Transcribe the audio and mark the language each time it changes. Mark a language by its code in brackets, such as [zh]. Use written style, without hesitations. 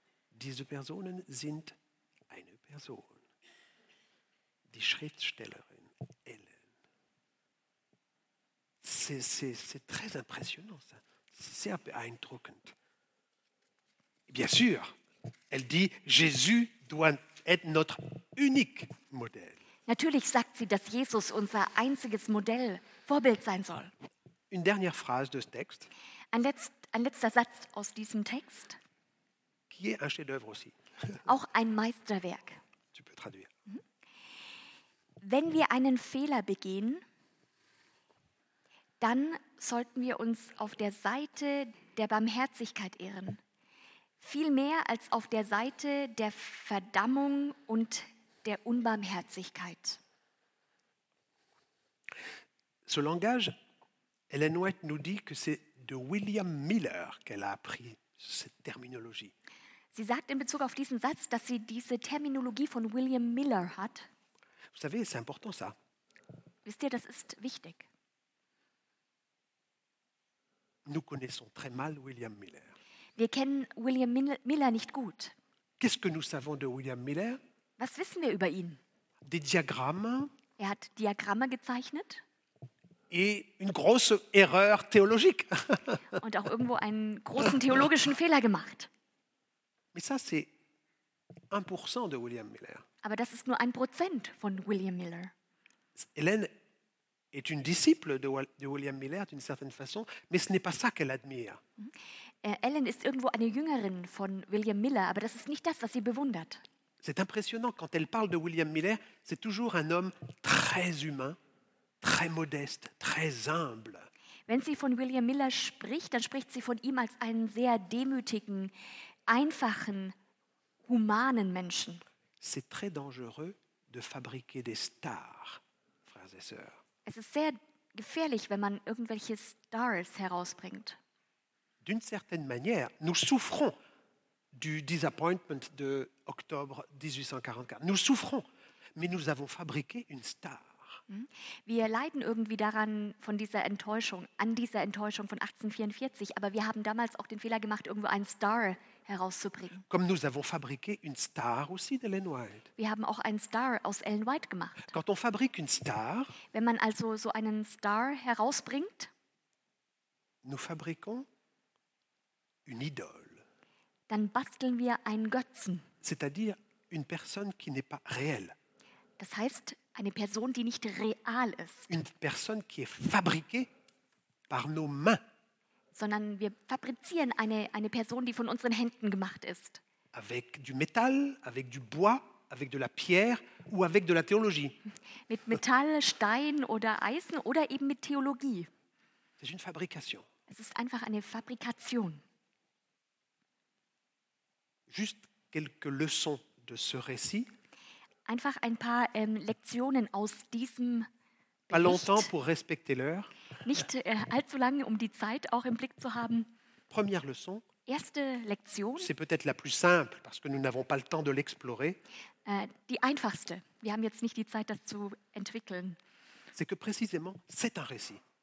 [de] Diese Personen sind eine Person. Die Schriftstellerin Ellen. [fr] C'est très impressionnant, ça. C'est [de] sehr beeindruckend. [fr] Bien sûr, elle dit, Jésus doit être notre unique modèle. [de] Natürlich sagt sie, dass Jesus unser einziges Modell, Vorbild sein soll. [fr] Une dernière phrase de ce texte. [de] Ein letzter Satz aus diesem Text. [fr] Qui est un chef-d'œuvre aussi. [de] Auch ein Meisterwerk. [fr] Tu peux traduire. [de] Wenn wir einen Fehler begehen, dann sollten wir uns auf der Seite der Barmherzigkeit ehren. Viel mehr als auf der Seite der Verdammung und der Unbarmherzigkeit. [fr] Ce langage, Ellen White nous dit que c'est de William Miller qu'elle a appris cette terminologie. [de] Sie sagt in Bezug auf diesen Satz, dass sie diese Terminologie von William Miller hat. [fr] Vous savez, c'est important ça. [de] Wisst ihr, das ist wichtig. [fr] Nous connaissons très mal William Miller. [de] Wir kennen William Miller nicht gut. [fr] Qu'est-ce que nous savons de William Miller? [de] Was wissen wir über ihn? [fr] Des diagrammes. [de] Er hat Diagramme gezeichnet. [fr] Et une grosse erreur théologique. [de] Und auch irgendwo einen großen theologischen Fehler gemacht. [fr] Mais ça, c'est 1% de William Miller. [de] Aber das ist nur 1% von William Miller. [fr] Hélène est une disciple de William Miller d'une certaine façon, mais ce n'est pas ça qu'elle admire. [de] Ellen ist irgendwo eine Jüngerin von William Miller, aber das ist nicht das, was sie bewundert. [fr] C'est impressionnant quand elle parle de William Miller, c'est toujours un homme très humain, très modeste, très humble. [de] Wenn sie von William Miller spricht, dann spricht sie von ihm als einen sehr demütigen, einfachen, humanen Menschen. [fr] C'est très dangereux de fabriquer des stars, frères et sœurs. [de] Es ist sehr gefährlich, wenn man irgendwelche Stars herausbringt. [fr] D'une certaine manière, nous souffrons du disappointment de octobre 1844. Nous souffrons, mais nous avons fabriqué une star. [de] Wir leiden irgendwie daran von dieser Enttäuschung, an dieser Enttäuschung von 1844, aber wir haben damals auch den Fehler gemacht, irgendwo einen Star herauszubringen. [fr] Comme nous avons fabriqué une star aussi d'Ellen White. [de] Wir haben auch einen Star aus Ellen White gemacht. [fr] Quand on fabrique une star, [de] wenn man also so einen Star herausbringt, [fr] nous fabriquons une idole. [de] Dann basteln wir einen Götzen. [fr] C'est-à-dire une personne qui n'est pas réelle. [de] Das heißt, eine Person, die nicht real ist. [fr] Une personne qui est fabriquée par nos mains. [de] Sondern wir fabrizieren eine Person, die von unseren Händen gemacht ist. [fr] Avec du métal, avec du bois, avec de la pierre ou avec de la théologie. [de] Mit Metall, Stein oder Eisen oder eben mit Theologie. [fr] C'est une fabrication. [de] Es ist einfach eine Fabrikation. [fr] Juste quelques leçons de ce récit. [de] Einfach ein paar Lektionen aus diesem Bericht. [fr] Pas longtemps pour respecter l'heure. [de] Nicht allzu lange, um die Zeit auch im Blick zu haben. [fr] Première leçon. [de] Erste Lektion. [fr] C'est peut-être la plus simple, parce que nous n'avons pas le temps de l'explorer. [de] Die einfachste. Wir haben jetzt nicht die Zeit, das zu entwickeln. [fr] C'est que précisément, c'est un récit.